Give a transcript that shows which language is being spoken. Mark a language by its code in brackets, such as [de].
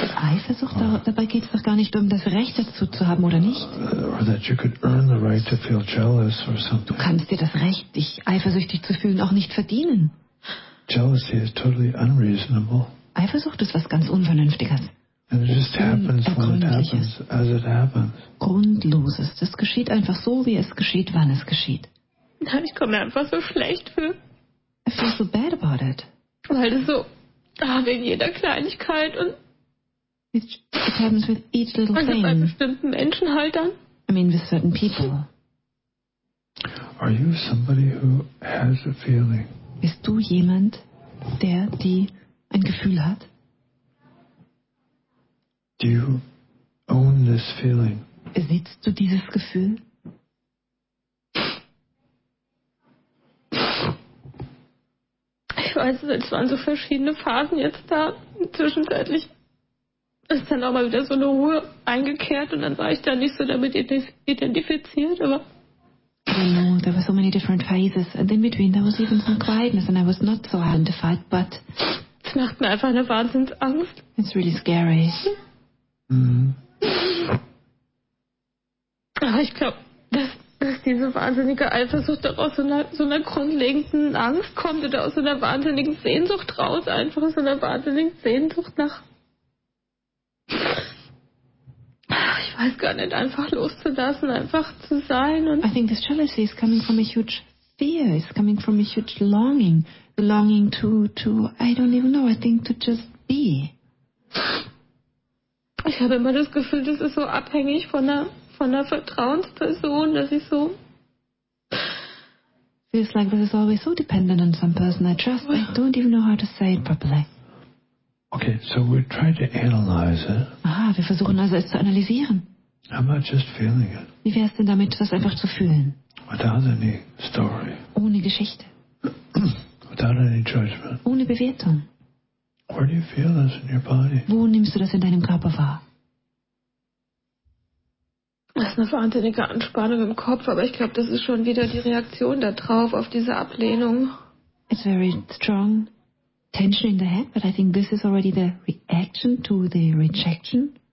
[de] Eifersucht, or, dabei geht es doch gar nicht um das Recht dazu zu haben oder nicht. [en] Or that you could earn the right to feel jealous or something. [de] Du kannst dir das Recht, dich eifersüchtig zu fühlen, auch nicht verdienen. [en] Jealousy is totally unreasonable. [de] Eifersucht ist was ganz Unvernünftiges. [en] And it just happens when it happens, as it happens. [de] Grundloses. Das geschieht einfach so, wie es geschieht, wann es geschieht. Nein, ich komme mir einfach so schlecht für. [en] I feel so bad about it. [de] Weil es so, wegen jeder Kleinigkeit und. [en] It happens with each little thing. [de] Also bei bestimmten Menschen halt dann. [en] I mean with certain people. Are you somebody who has a feeling? [de] Bist du jemand, der, die ein Gefühl hat? [en] Do you own this feeling? [de] Besitzt du dieses Gefühl? Ich weiß, es waren so verschiedene Phasen jetzt da. Zwischenzeitlich ist dann auch mal wieder so eine Ruhe eingekehrt und dann war ich da nicht so damit identifiziert, aber. [en] I don't know, there were so many different phases. And in between there was even some quietness and I was not so identified, but. [de] Es macht mir einfach eine Wahnsinnsangst. [en] It's really scary. Mm-hmm. [de] Aber ich glaube, dass diese wahnsinnige Eifersucht doch aus so einer grundlegenden Angst kommt oder aus so einer wahnsinnigen Sehnsucht raus, einfach aus so einer wahnsinnigen Sehnsucht nach, ich weiß gar nicht, einfach loszulassen, einfach zu sein. Und [en] I think this jealousy is coming from a huge fear, it's coming from a huge longing, the longing to, I don't even know, I think to just be. [de] Ich habe immer das Gefühl, das ist so abhängig von einer Vertrauensperson, dass ich so. [en] Feels like this is always so dependent on some person I trust. I don't even know how to say it properly. Okay, so we're trying to analyze it. [de] Aha, wir versuchen also es zu analysieren. [en] How about just feeling it? [de] Wie wäre es denn damit, das einfach zu fühlen? [en] Without any story. [de] Ohne Geschichte. [en] Without any judgment. [de] Ohne Bewertung. [en] Where do you feel this in your body? [de] Wo nimmst du das in deinem Körper wahr? Das ist eine wahnsinnige Anspannung im Kopf, aber ich glaube, das ist schon wieder die Reaktion da drauf, auf diese Ablehnung. [en] It's very strong tension in the head, but I think this is already the reaction to the rejection.